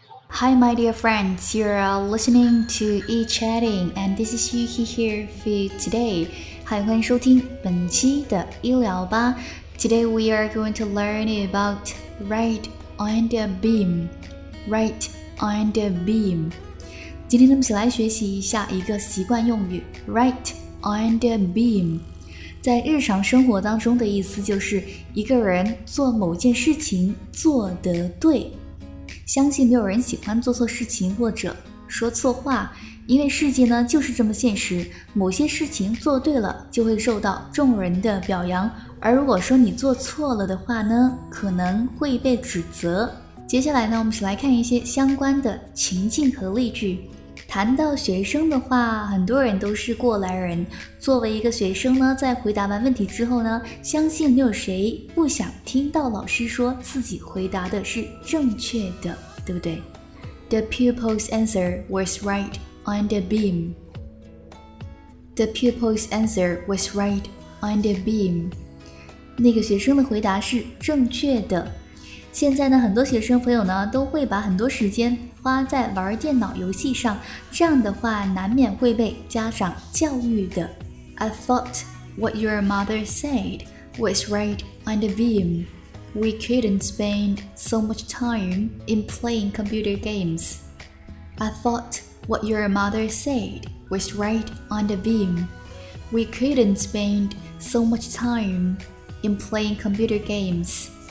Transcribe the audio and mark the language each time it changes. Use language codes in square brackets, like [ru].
[en] Hi, my dear friends, you're listening to e-chatting, and this is Yuki here for you today. [zh] Hi, 欢迎收听本期的医疗吧。 [en] Today we are going to learn about right on the beam. Right on the beam. [zh] 今天我们来学习一下一个习惯用语 right on the beam. 在日常生活当中的意思就是一个人做某件事情做得对。相信没有人喜欢做错事情或者说错话，因为世界呢就是这么现实，某些事情做对了就会受到众人的表扬，而如果说你做错了的话呢，可能会被指责。接下来呢，我们一起来看一些相关的情境和例句。谈到学生的话，很多人都是过来人，作为一个学生呢，在回答完问题之后呢，相信没有谁不想听到老师说自己回答的是正确的，对不对？ [en] The pupil's answer was right on the beam. The pupil's answer was right on the beam. [zh] 那个学生的回答是正确的。现在呢，很多学生朋友呢，都会把很多时间花在玩电脑游戏上，这样的话难免会被家长教育的。 [en] I thought what your mother said was right on the beam. We couldn't spend so much time in playing computer games. I thought what your mother said was right on the beam. We couldn't spend so much time in playing computer games.